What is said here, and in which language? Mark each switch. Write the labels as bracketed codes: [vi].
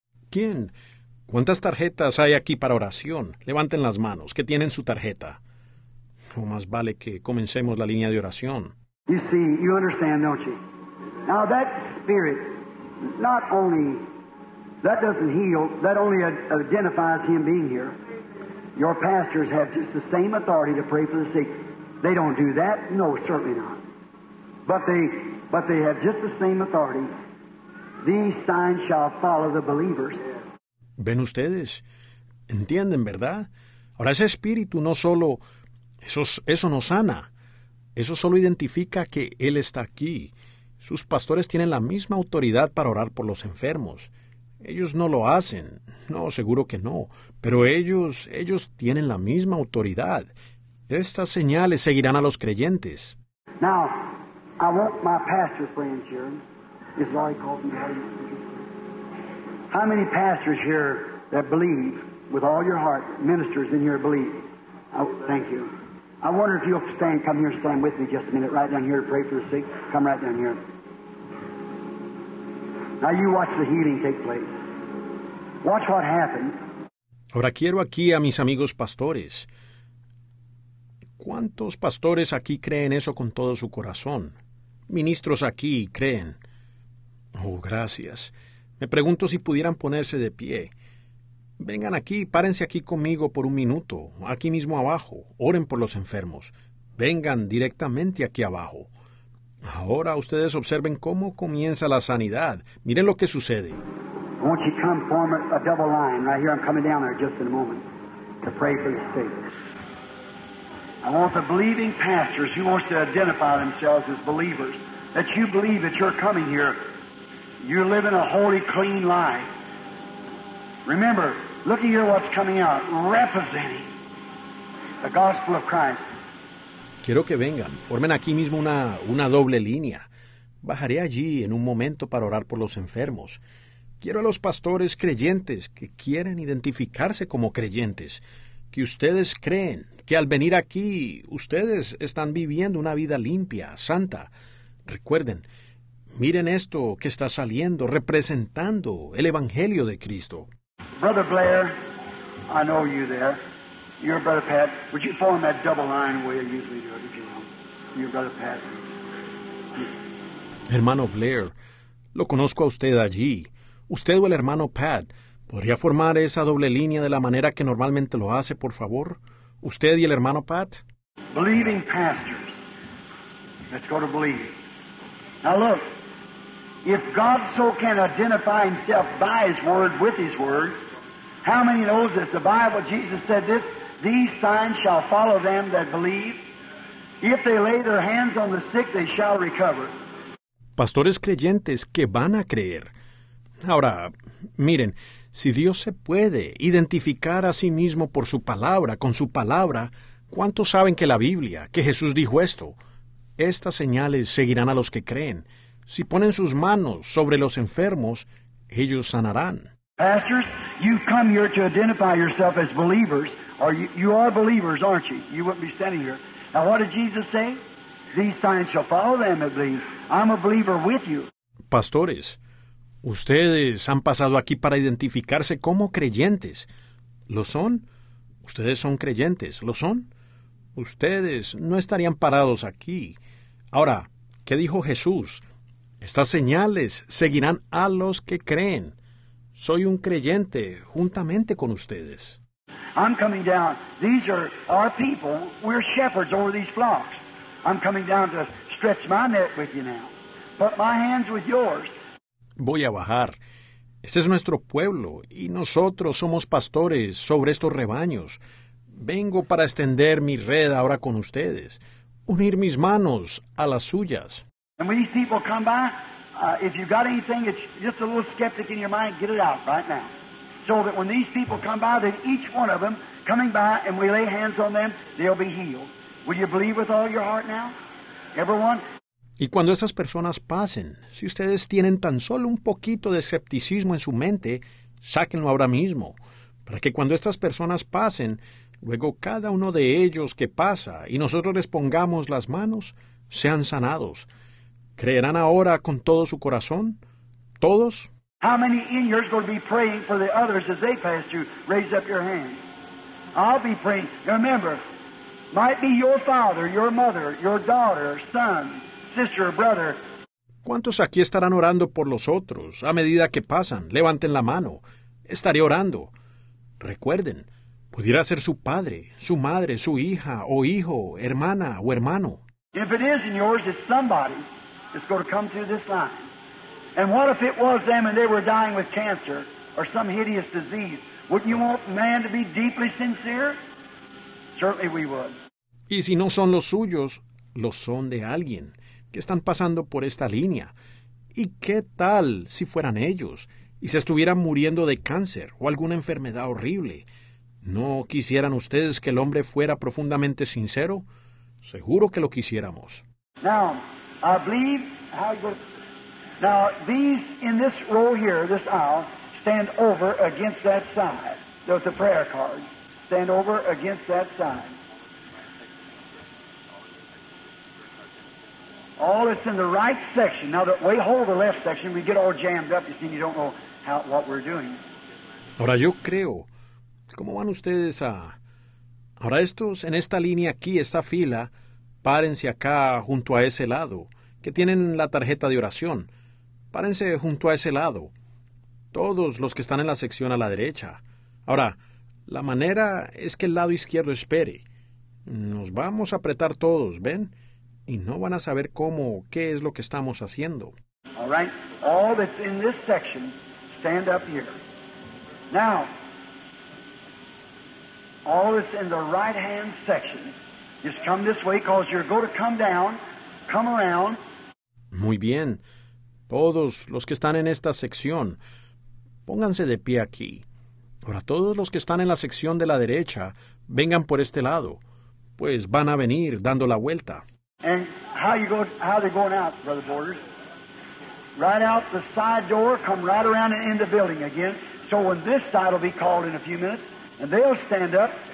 [es] ¿Quién? ¿Cuántas tarjetas hay aquí para oración? Levanten las manos, que tienen su tarjeta. O más vale que comencemos la línea de oración. [en] You see, you understand, don't you? Now that spirit, not only, that doesn't heal, that only identifies him being here. Your pastors have just the same authority to pray for the sick. They don't do that? No, certainly not. But they have just the same authority. These signs shall follow the believers. [es] ¿Ven ustedes? ¿Entienden, verdad? Ahora ese espíritu no solo, eso no sana. Eso solo identifica que él está aquí. Sus pastores tienen la misma autoridad para orar por los enfermos. Ellos no lo hacen. No, seguro que no. Pero ellos tienen la misma autoridad. Estas señales seguirán a los creyentes. [en] Now, I want my pastor friends here. Is Larry called? How many pastors here that believe with all your heart, ministers in your belief? Oh, thank you. I wonder if you'll stand, come here, stand with me just a minute, right down here to pray for the sick. Come right down here. Now you watch the healing take place. Watch what happens. [es] Ahora quiero aquí a mis amigos pastores. ¿Cuántos pastores aquí creen eso con todo su corazón? Ministros aquí creen. Oh, gracias. Me pregunto si pudieran ponerse de pie. Vengan aquí, párense aquí conmigo por un minuto, aquí mismo abajo. Oren por los enfermos. Vengan directamente aquí abajo. Ahora ustedes observen cómo comienza la sanidad. Miren lo que sucede. [en] I want you to come form a double line right here. I'm coming down there just in a moment to pray for the sick. I want the believing pastors who want to identify themselves as believers, that you believe that you're coming here. You're living a holy, clean life. Remember, look at here what's coming out, representing the gospel of Christ. [es] Quiero que vengan, formen aquí mismo una doble línea. Bajaré allí en un momento para orar por los enfermos. Quiero a los pastores creyentes que quieren identificarse como creyentes, que ustedes creen que al venir aquí, ustedes están viviendo una vida limpia, santa. Recuerden, miren esto que está saliendo, representando el Evangelio de Cristo. [en] Brother Blair, I know you there. You're Brother Pat. Would you form that double line the way you usually do it, if you will? You're Brother Pat. [es] Hermano Blair, lo conozco a usted allí. Usted o el hermano Pat, ¿podría formar esa doble línea de la manera que normalmente lo hace, por favor? ¿Usted y el hermano Pat? [en] Believing pastors. Let's go to believe. Now look. If God so can identify himself by his word with his word, how many knows this? The Bible, Jesus said this, these signs shall follow them that believe. If they lay their hands on the sick, they shall recover. [es] Pastores creyentes que van a creer. Ahora, miren, si Dios se puede identificar a sí mismo por su palabra, con su palabra, ¿cuántos saben que la Biblia, que Jesús dijo esto? Estas señales seguirán a los que creen. Si ponen sus manos sobre los enfermos, ellos sanarán. [en] Pastors, you've come here to identify yourself as believers. You are believers, aren't you? You wouldn't be standing here. Now, what did Jesus say? These signs shall follow them that believe. I'm a believer with you. [es] Pastores, ustedes han pasado aquí para identificarse como creyentes. ¿Lo son? Ustedes son creyentes. ¿Lo son? Ustedes no estarían parados aquí. Ahora, ¿qué dijo Jesús? Estas señales seguirán a los que creen. Soy un creyente juntamente con ustedes. [en] I'm coming down. These are our people. We're shepherds over these flocks. I'm coming down to stretch my net with you now. but my hands with yours. [es] Voy a bajar. Este es nuestro pueblo, y nosotros somos pastores sobre estos rebaños. Vengo para extender mi red ahora con ustedes, unir mis manos a las suyas. [en] And when these people come by, if you've got anything that's just a little skeptic in your mind, get it out right now. So that when these people come by, that each one of them coming by and we lay hands on them, they'll be healed. Will you believe with all your heart now? Everyone? [es] Y cuando estas personas pasen, si ustedes tienen tan solo un poquito de escepticismo en su mente, sáquenlo ahora mismo, para que cuando estas personas pasen, luego cada uno de ellos que pasa y nosotros les pongamos las manos, sean sanados. ¿Creerán ahora con todo su corazón? ¿Todos? [en] How many in here are going to be praying for the others as they pass through? Raise up your hand. I'll be praying. Remember, might be your father, your mother, your daughter, son, sister, brother. [es] ¿Cuántos aquí estarán orando por los otros a medida que pasan? Levanten la mano. Estaré orando. Recuerden, pudiera ser su padre, su madre, su hija o hijo, hermana o hermano. [en] If it is in yours, it's somebody that's going to come through this line. And what if it was them and they were dying with cancer or some hideous disease? Wouldn't you want man to be deeply sincere? Certainly we would. [es] Y si no son los suyos, los son de alguien que están pasando por esta línea. ¿Y qué tal si fueran ellos y se estuvieran muriendo de cáncer o alguna enfermedad horrible? ¿No quisieran ustedes que el hombre fuera profundamente sincero? Seguro que lo quisiéramos. [en] Now, I believe how good. Now, these in this row here, this aisle, stand over against that side. There's a prayer card. Stand over against that side. All that's in the right section. Now, we hold the left section. We get all jammed up. You see, you don't know how what we're doing. [es] Ahora, yo creo. ¿Cómo van ustedes a...? Ahora, estos en esta línea aquí, esta fila, párense acá junto a ese lado, que tienen la tarjeta de oración. Párense junto a ese lado, todos los que están en la sección a la derecha. Ahora, la manera es que el lado izquierdo espere. Nos vamos a apretar todos, ¿ven? Y no van a saber cómo, qué es lo que estamos haciendo. [en] All right. All that's in this section, stand up here. Now, all that's in the right-hand section, just come this way, because you're going to come down, come around. [es] Muy bien. Todos los que están en esta sección, pónganse de pie aquí. Ahora, todos los que están en la sección de la derecha, vengan por este lado, pues van a venir dando la vuelta. [en] And how they're going out, Brother Borders? Right out the side door, come right around and in the building again. So when this side will be called in a few minutes, and they'll stand up.